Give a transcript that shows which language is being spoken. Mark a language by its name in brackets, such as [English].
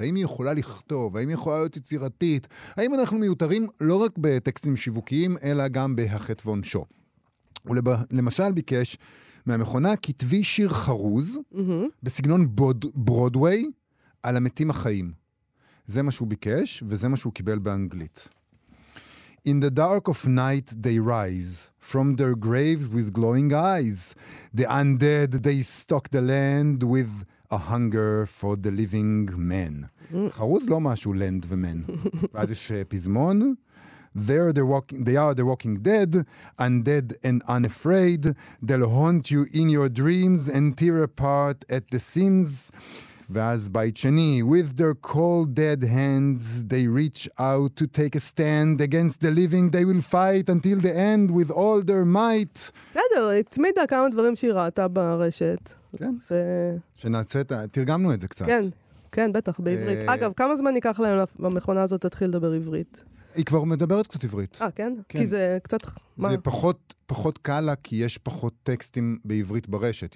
[Hebrew] האם היא יכולה לכתוב, האם היא יכולה להיות יצירתית, האם אנחנו מיותרים לא רק בטקסטים שיווקיים, אלא גם בהחטא ועונשו. ולמשל ביקש מהמכונה כתבי שיר חרוז, בסגנון ברודווי, על המתים החיים. זה מה שהוא ביקש, וזה מה שהוא קיבל באנגלית. [English] In the dark of night they rise from their graves with glowing eyes. The undead, they stalk the land with a hunger for the living men. [Hebrew] חרוז לא משהו, land ומן. ואז יש פזמון. [English] They are the walking dead, undead and unafraid. They'll haunt you in your dreams and tear apart at the seams. [Hebrew] ואז בית שני, [English] with their cold dead hands, they reach out to take a stand against the living, they will fight until the end with all their might. [Hebrew] בסדר, הצמידה כמה דברים שהיא ראתה ברשת. כן, שנעצאת, תרגמנו את זה קצת. כן, כן, בטח, בעברית. אגב, כמה זמן ייקח להם במכונה הזאת להתחיל לדבר עברית? היא כבר מדברת קצת עברית. אה, כן? כי זה קצת... זה פחות קל לה, כי יש פחות טקסטים בעברית ברשת.